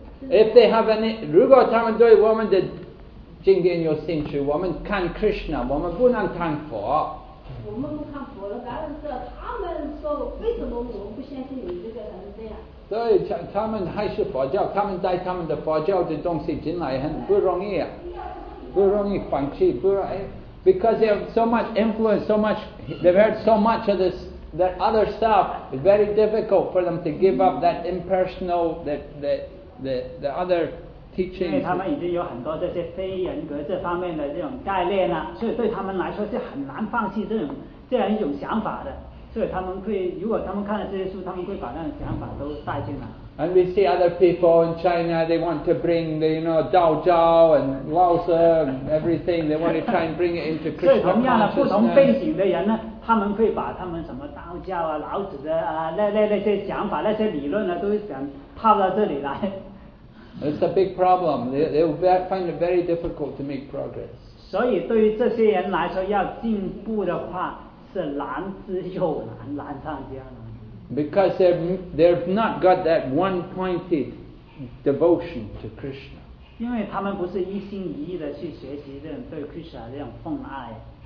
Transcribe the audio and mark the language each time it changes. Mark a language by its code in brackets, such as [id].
[en] If they have any, [zh] 如果他们对我们的经典有兴趣，我们看 Krishna， 我们不能看佛。我们不看佛了，当然是他们说为什么我们不相信你这个人这样。所以他们还是佛教，他们带他们的佛教的东西进来很不容易啊，不容易放弃，不容易 ， [en] because they have so much influence, so much they've heard so much of this. That other stuff, it's very difficult for them to give up that impersonal, that the other teachings. [zh] 因为他们已经有很多这些非人格这方面的这种概念了，所以对他们来说是很难放弃这样一种想法的。所以他们会，如果他们看了这些书，他们会把那种想法都带进来。 [en] And we see other people in China, they want to bring the, you know, Dao Zhao and Lao Tzu and everything. They want to try and bring it into Krishna consciousness. [zh] 所以同样的不同背景的人呢，他们会把他们什么道教啊、老子的啊、那些想法、那些理论呢，都想套到这里来。 [en] It's a big problem. They will find it very difficult to make progress. [zh] 所以对于这些人来说，要进步的话是难之又难，难上加难。 [en] Because they've not got that one-pointed devotion to Krishna. [zh] 因为他们不是一心一意的去学习这种对 Krishna 这种奉爱。